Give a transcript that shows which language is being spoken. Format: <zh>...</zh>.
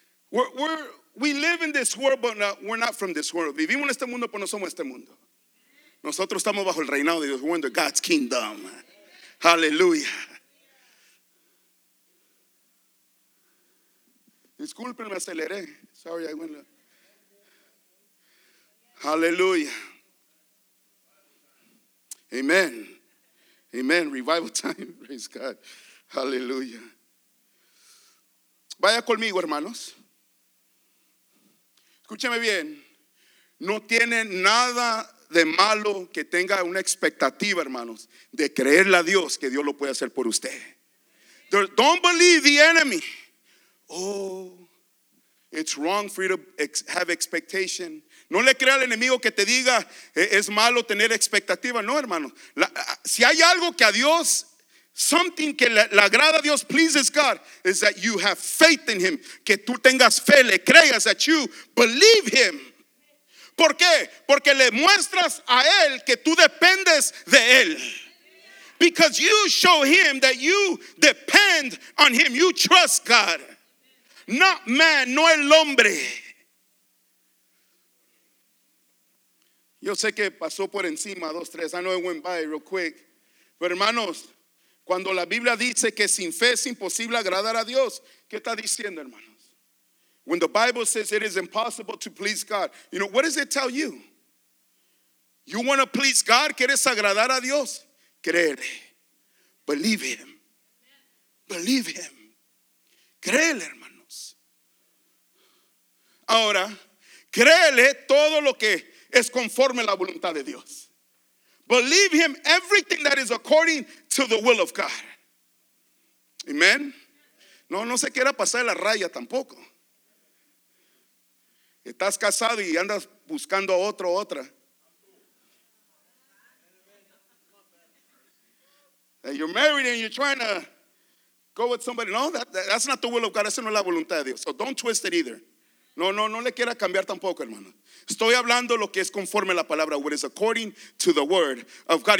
<en>We live in this world, but we're not from this world.</en> <es>Vivimos en este mundo, pero no somos este mundo. Nosotros estamos bajo el reinado de Dios.</es> <en>We're under God's kingdom.</en> <es>Hallelujah. Disculpen, me aceleré.</es> <en>Sorry, I went. Hallelujah. Amen. Amen. Revival time. Praise God. Hallelujah.</en> <es>Vaya conmigo, hermanos. Escúcheme bien. No tiene nada de malo que tenga una expectativa, hermanos, de creerle a Dios que Dios lo puede hacer por usted.</es> <en>Don't believe the enemy. Oh, it's wrong for you to have expectation.</en> <es>No le crea al enemigo que te diga es malo tener expectativa. No, hermano. Si hay algo que a Dios, something que le agrada a Dios,</es> <en>pleases God, is that you have faith in him.</en> <es>Que tú tengas fe, le creas,</es> <en>that you believe him.</en> <es>¿Por qué? Porque le muestras a él que tú dependes de él.</es> <en>Because you show him that you depend on him. You trust God. Not man,</en> <es>no el hombre. Yo sé que pasó por encima, dos, tres.</es> <en>I know it went by real quick.</en> <es>Pero hermanos, cuando la Biblia dice que sin fe es imposible agradar a Dios, ¿qué está diciendo, hermanos?</es> <en>When the Bible says it is impossible to please God, you know, what does it tell you? You want to please God,</en> <es>¿quieres agradar a Dios? Créele.</es> <en>Believe him. Believe him.</en> <es>Créele, hermanos. Ahora, créele todo lo que es conforme a la voluntad de Dios.</es> <en>Believe him everything that is according to the will of God. Amen.</en> <es>No, no se quiera pasar la raya tampoco. Estás casado y andas buscando a otro o otra.</es> <en>And you're married and you're trying to go with somebody. No, that's not the will of God.</en> <es>Esa no es la voluntad de Dios.</es> <en>So don't twist it either.</en> <es>No, no, no le quiera cambiar tampoco, hermano. Estoy hablando lo que es conforme a la palabra.</es> <en>What is according to the word of God.</en>